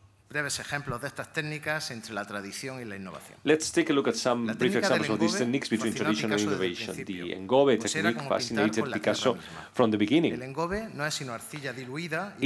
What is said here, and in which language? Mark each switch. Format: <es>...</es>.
<es>breves ejemplos de estas técnicas entre la tradición y la innovación.</es> <en>Let's take a look at some brief examples of these techniques between tradition and innovation. The engobe technique fascinated Picasso from the beginning.</en> <es>El engobe no es sino arcilla diluida y</es>